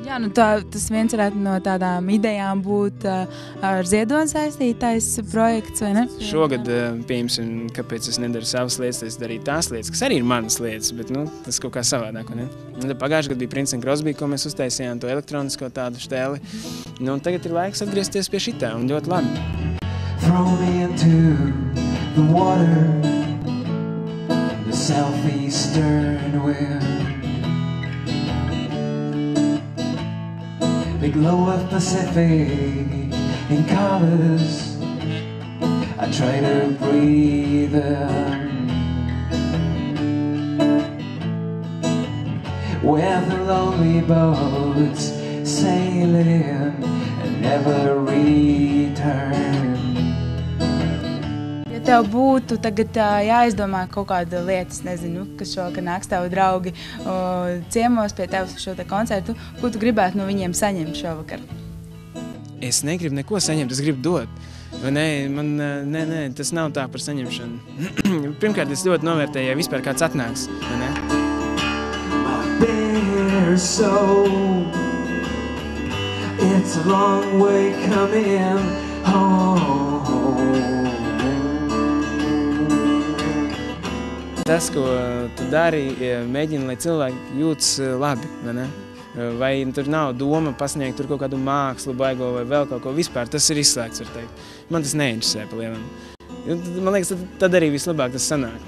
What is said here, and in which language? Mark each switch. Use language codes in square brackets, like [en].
[lv] Jā, nu tā, tas viens varētu no tādām idejām būt ar ziedoni saistītais projekts, vai ne? Šogad, pieņemsim, kāpēc es nedaru savas lietas, es darīju tās lietas, kas arī ir manas lietas, bet nu, tas kaut kā savādāk, vai ne? Un tad pagājušajā gadā bija Prince & Crosby, ko mēs uztaisījām to elektronisko tādu šteli. Nu, un tagad ir laiks atgriezties pie šitā, un ļoti labi. [en] Throw me into the water, the southeastern wind. The glow of Pacific in colors, I try to breathe in. Where the lonely boats sail in and never return. [lv] Tev būtu tagad jāizdomā kaut kāda lietas, nezinu, kas šokā nāks tavu draugi ciemos pie tevis šo te koncertu. Ko tu gribētu no viņiem saņemt šovakar? Es negribu neko saņemt, es gribu dot. Vai ne, man, ne, tas nav tā par saņemšanu. Pirmkārt, es ļoti novērtēju, ja vispār kāds atnāks, vai ne? [en] My bare soul, it's a long way coming home. [lv] Tas, ko tu dari, mēģini, lai cilvēki jūtas labi, vai ne? Vai tur nav doma pasniegt tur kaut kādu mākslu, baigo vai vēl kaut ko vispār, tas ir izslēgts, var teikt. Man tas neinteresē pa lielam. Man liekas, tad arī vislabāk tas sanāk.